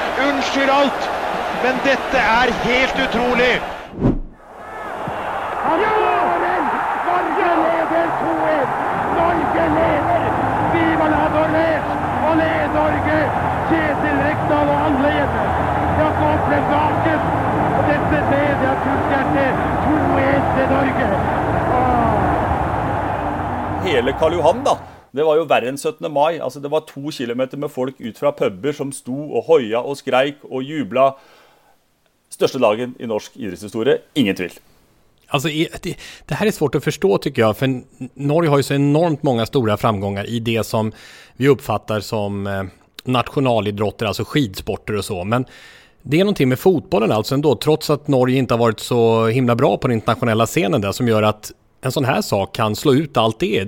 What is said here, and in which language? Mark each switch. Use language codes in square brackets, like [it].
[no] Unnskyld alt, men dette er helt utrolig. Ja! Norge leder 2-1. Norge leder. Viva la Norge! Og leder Norge. Kjetil Rekdal og alle gjennom. Jeg går til baken. [sv] Det är det jag tycker att det är 2-1 till Norge. [no] hele Karl Johan da. Det var jo verre enn 17. mai. Altså, det var 2 kilometer med folk ut fra pubber som sto og høya og skreik og jubla. Største dagen i norsk idrettshistorie, ingen tvil. [sv] Alltså det här är svårt att förstå tycker jag, för Norge har ju så enormt många stora framgångar i det som vi uppfattar som nationalidrotter, alltså skidsporter och så. Men det är någonting med fotbollen alltså ändå, trots att Norge inte har varit så himla bra på den internationella scenen där, som gör att en sån här sak kan slå ut allt det.